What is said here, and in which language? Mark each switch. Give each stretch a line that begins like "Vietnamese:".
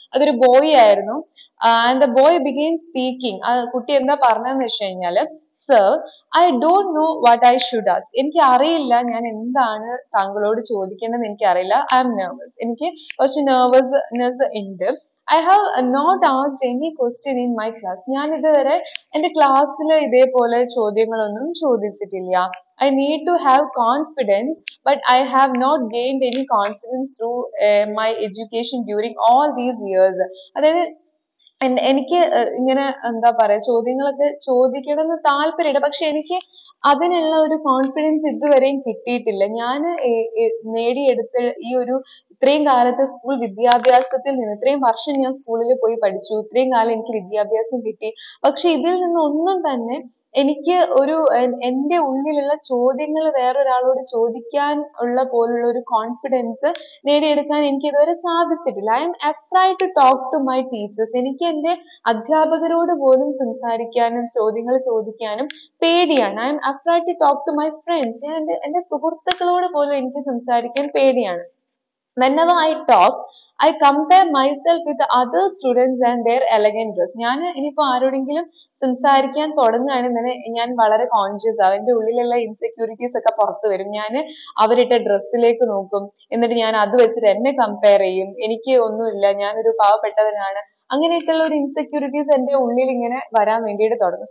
Malayalam: അതൊരു ബോയ് ആയിരുന്നു.
English: And the boy began speaking.
Malayalam: ആ കുട്ടി എന്താ പറഞ്ഞതെന്ന് വെച്ച് കഴിഞ്ഞാല്,
English: sir I don't know what I should ask,
Malayalam: എനിക്ക് അറിയില്ല ഞാൻ എന്താണ് താങ്കളോട് ചോദിക്കേണ്ടതെന്ന് എനിക്ക് അറിയില്ല.
English: I am nervous,
Malayalam: എനിക്ക് കുറച്ച് നെർവസ്നെസ് ഉണ്ട്.
English: I have not asked any question in my class.
Malayalam: ഞാൻ ഇതുവരെ എന്റെ ക്ലാസ്സിൽ ഇതേപോലെ ചോദ്യങ്ങളൊന്നും ചോദിച്ചിട്ടില്ല.
English: I need to have confidence, but I have not gained any confidence through my education during all these years.
Malayalam: അതായത് എനിക്ക് ഇങ്ങനെ എന്താ പറയാ ചോദ്യങ്ങളൊക്കെ ചോദിക്കണമെന്ന് താല്പര്യമില്ല, പക്ഷെ എനിക്ക് അതിനുള്ള ഒരു കോൺഫിഡൻസ് ഇതുവരെയും കിട്ടിയിട്ടില്ല. ഞാൻ നേടിയെടുത്ത ഈ ഒരു ഇത്രയും കാലത്ത് സ്കൂൾ വിദ്യാഭ്യാസത്തിൽ നിന്ന്, ഇത്രയും വർഷം ഞാൻ സ്കൂളിൽ പോയി പഠിച്ചു, ഇത്രയും കാലം എനിക്ക് വിദ്യാഭ്യാസം കിട്ടി, പക്ഷെ ഇതിൽ നിന്നൊന്നും തന്നെ എനിക്ക് ഒരു എന്റെ ഉള്ളിലുള്ള ചോദ്യങ്ങൾ വേറൊരാളോട് ചോദിക്കാൻ ഉള്ള പോലുള്ള ഒരു കോൺഫിഡൻസ് നേടിയെടുക്കാൻ എനിക്ക് ഇതുവരെ സാധിച്ചിട്ടില്ല.
English: I am afraid to talk to my teachers,
Malayalam: എനിക്ക് എന്റെ അധ്യാപകരോട് പോലും സംസാരിക്കാനും ചോദ്യങ്ങൾ ചോദിക്കാനും പേടിയാണ്.
English: I am afraid to talk to my friends,
Malayalam: ഞാൻ എന്റെ സുഹൃത്തുക്കളോട് പോലും എനിക്ക് സംസാരിക്കാൻ പേടിയാണ്.
English: Whenever I talk, I compare myself with other students and their elegant dress.
Malayalam: ഞാൻ ഇനിയിപ്പോ ആരോടെങ്കിലും സംസാരിക്കാൻ തുടങ്ങുകയാണെന്നുണ്ടെങ്കിൽ ഞാൻ വളരെ കോൺഷ്യസ് ആവും, എന്റെ ഉള്ളിലുള്ള ഇൻസെക്യൂരിറ്റീസ് ഒക്കെ പുറത്തു വരും. ഞാൻ അവരുടെ ഡ്രസ്സിലേക്ക് നോക്കും, എന്നിട്ട് ഞാൻ അത് വെച്ചിട്ട് എന്നെ കമ്പയർ ചെയ്യും, എനിക്ക് ഒന്നുമില്ല, ഞാനൊരു പാവപ്പെട്ടവനാണ്, അങ്ങനെയൊക്കെയുള്ള ഒരു ഇൻസെക്യൂരിറ്റീസ് എന്റെ ഉള്ളിൽ ഇങ്ങനെ വരാൻ വേണ്ടിയിട്ട് തുടങ്ങും.